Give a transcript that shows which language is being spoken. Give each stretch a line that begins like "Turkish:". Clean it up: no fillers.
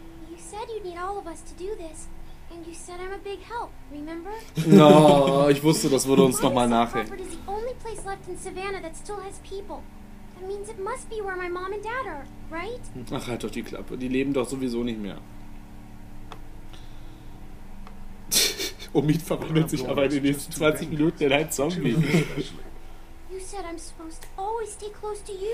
English: You said you need all of us to do this and you said I'm a big help, remember?
German: No, ich wusste, das würde uns noch mal nachhängen.
English: Crawford is the only place left in Savannah that still has people. That means it must be where my mom and dad are, right?
German: Ach, halt doch die Klappe, die leben doch sowieso nicht mehr. Omid verwandelt sich aber in den nächsten 20 Minuten in einen Zombie.
English: You said I'm supposed to always stay close to you.